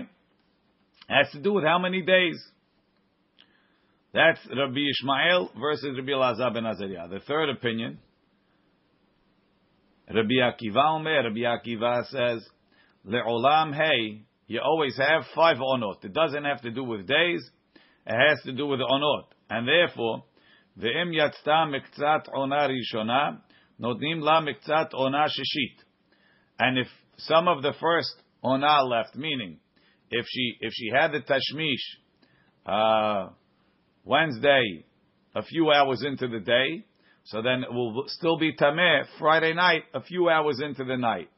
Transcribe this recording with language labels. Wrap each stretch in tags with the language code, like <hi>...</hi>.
<en>It has to do with how many days. That's Rabbi Yishmael versus Rabbi Elazar ben Azariah. The third opinion. Rabbi Akiva Omer. Rabbi Akiva says,</en> <he>Le'olam hey,</he> <en>you always have five onot. It doesn't have to do with days. It has to do with onot. And therefore,</en> <he>ואם יצתה מקצת עונה ראשונה, נותנים לה מקצת עונה שישית.</he> <en>And if some of the first עונה left, meaning, if she had the tashmish Wednesday, a few hours into the day, so then it will still be tameh Friday night, a few hours into the night.</en>